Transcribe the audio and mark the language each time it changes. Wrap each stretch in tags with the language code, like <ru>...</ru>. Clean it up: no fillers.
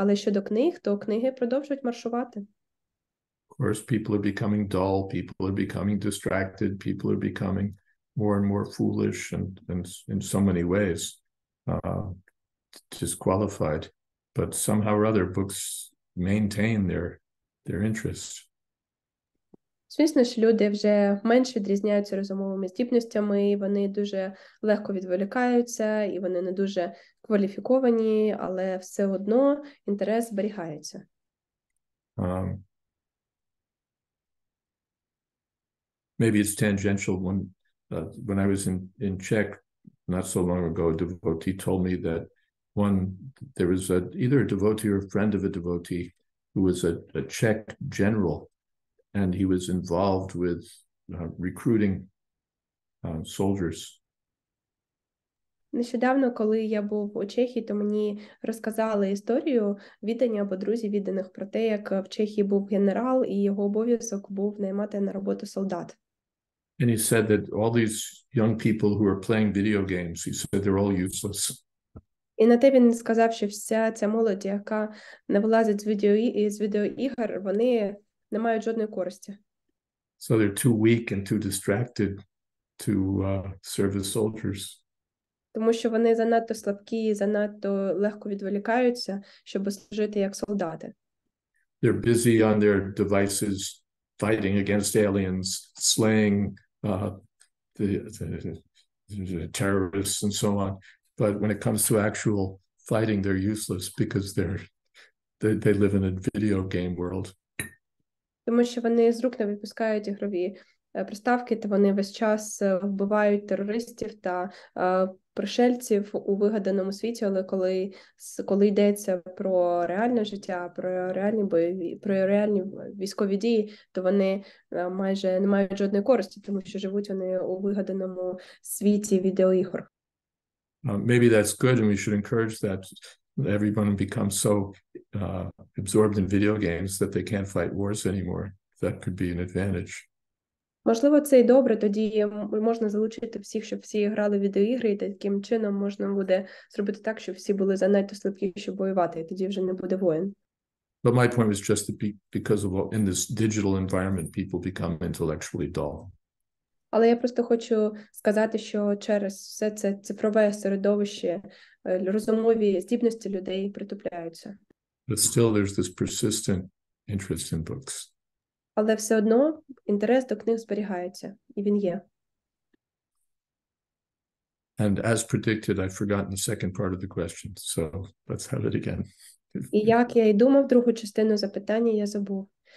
<uk>Але щодо книг, то книги продовжують маршувати.</uk> <en>Of course, people are becoming dull, people are becoming distracted, people are becoming more and more foolish and in so many ways disqualified. But somehow or other, books maintain their interest.</en> <uk>Звісно, що люди вже менше відрізняються розумовими здібностями, і вони дуже легко відволікаються, і вони не дуже кваліфіковані, але все одно інтерес зберігається.</uk> <en>Maybe it's tangential. When I was in Czech not so long ago, a devotee told me that there was either a devotee or a friend of a devotee who was a Czech general, and he was involved with recruiting soldiers.</en> <uk>Нещодавно, коли я був у Чехії, то мені розказали історію відання або друзів відданих про те, як в Чехії був генерал, і його обов'язок був наймати на роботу солдат.</uk> <en>And he said that all these young people who are playing video games, he said they're all useless.</en> <uk>І на те він сказав, що вся ця молодь, яка не вилазить з відеоігор, вони не мають жодної користі.</uk> <en>So they're too weak and too distracted to serve as soldiers.</en> <uk>Тому що вони занадто слабкі і занадто легко відволікаються, щоб служити як солдати.</uk> <en>They're busy on their devices, fighting against aliens, slaying the terrorists and so on. But when it comes to actual fighting, they're useless because they live in a video game world.</en> <uk>Тому що вони з рук не випускають ігрові приставки, то вони весь час вбивають терористів та пришельців у вигаданому світі, але коли йдеться про реальне життя, про реальні військові дії, то вони майже не мають жодної користі, тому що живуть вони у вигаданому світі відеоігор.</uk> <en>Maybe that's good and we should encourage that everyone becomes so absorbed in video games that they can't fight wars anymore. That could be an advantage.</en> <uk>Можливо, це й добре, тоді можна залучити всіх, щоб всі грали в відеоігри, і таким чином можна буде зробити так, щоб всі були занадто слабкі, щоб воювати, і тоді вже не буде воїн.</uk> <en>But my point was just that because of all, in this digital environment people become intellectually dull.</en> <uk>Але я просто хочу сказати, що через все це цифрове середовище розумові здібності людей притупляються.</uk> <en>But still there's this persistent interest in books.</en> <uk>Але все одно інтерес до книг зберігається, і він є.</uk> <en>And as predicted, I've forgotten the second part of the question, so let's have it again.</en> <uk>І як я і думав, другу частину запитання я забув.</uk>